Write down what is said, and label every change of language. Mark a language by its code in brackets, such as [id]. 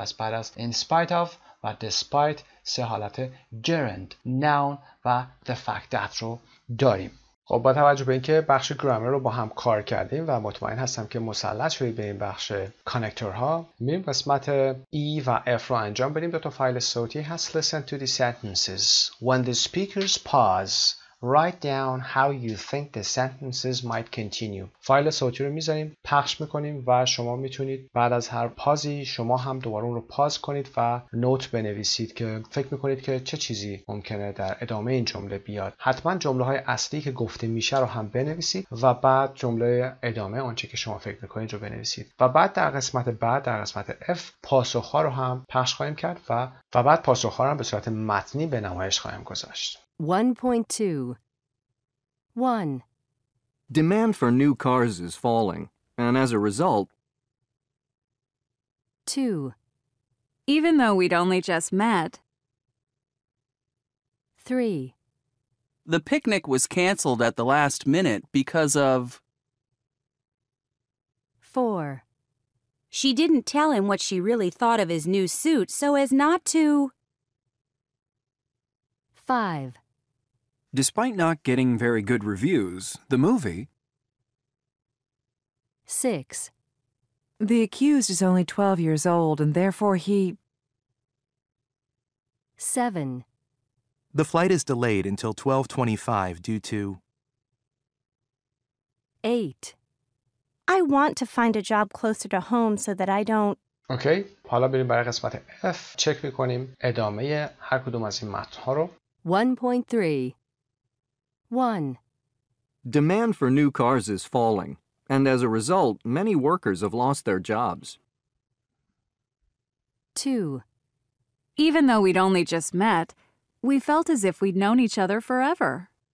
[fa] پس بعد از in spite of و despite سه حالت gerund. Noun و the fact that رو داریم. خب با توجه به اینکه بخش گرامر رو با هم کار کردیم و مطمئن هستم که مسلط شدید به این بخش کانکتورها، میریم قسمت E و F رو انجام بدیم. دو تا فایل صوتی هست. [en] Listen to the sentences. When the speakers pause, write down how you think the sentences might continue. [fa] فایل صوتی رو میذاریم، پخش میکنیم و شما میتونید بعد از هر پازی شما هم دوباره اون رو پاز کنید و نوت بنویسید که فکر میکنید که چه چیزی ممکنه در ادامه این جمله بیاد. حتما جمله های اصلی که گفته میشه رو هم بنویسید و بعد جمله ادامه اونچه که شما فکر میکنید رو بنویسید. و بعد در قسمت بعد در قسمت F پاسخ ها رو هم پخش خواهیم کرد و بعد پاسخ ها رو هم به صورت متنی به نمایش خواهیم گذاشت. [en] 1.2 1. Demand for new cars is falling, and as a result... 2. Even though we'd only just met... 3. The picnic was cancelled at the last minute because of... 4. She didn't tell him what she really thought of his new suit so as not to... 5. Despite not getting very good reviews, the movie... 6. The accused is only 12 years old, and therefore he... 7. The flight is delayed until 12:25 due to... 8. I want to find a job closer to home so that I don't... [fa] Okay, حالا بریم برای قسمت F. چک میکنیم ادامه هر کدوم از این متن‌ها رو. [en] 1.3 1. Demand for new cars is falling, and as a result, many workers have lost their jobs. too. Even though we'd only just met, we felt as if we'd known each other forever.